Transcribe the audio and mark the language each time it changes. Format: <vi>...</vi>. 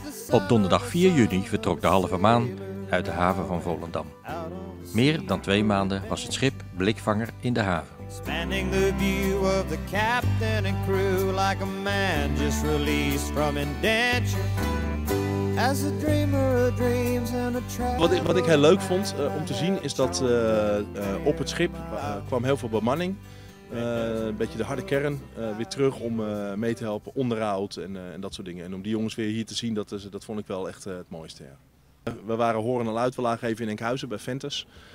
<nl>Op donderdag 4 juni vertrok de halve maan uit de haven van Volendam. Meer dan 2 maanden was het schip blikvanger in de haven.</nl> <en>Expanding the view of the captain and crew like a man just released from indenture. As a dreamer of dreams and a traveler.</en> <nl>Wat ik heel leuk vond om te zien is dat op het schip kwam heel veel bemanning. Een beetje de harde kern weer terug om mee te helpen, onderhoud en dat soort dingen. En om die jongens weer hier te zien, dat vond ik wel echt het mooiste. Ja. We waren horen en luid, we lagen even in Enkhuizen bij Ventus.</nl>